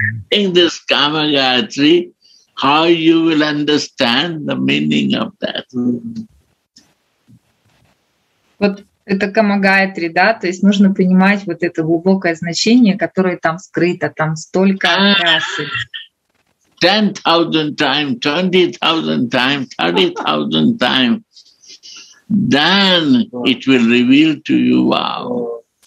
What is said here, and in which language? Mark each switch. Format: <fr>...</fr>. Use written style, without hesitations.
<en>In this Kama Gayatri, how you will understand the meaning of that?</en> <ru>Вот это Кама Гайатри, да, то есть нужно понимать вот это глубокое значение, которое там скрыто, там столько расы.</ru> <en>10,000 times, 20,000 times, 30,000 times, then it will reveal to you, wow.</en>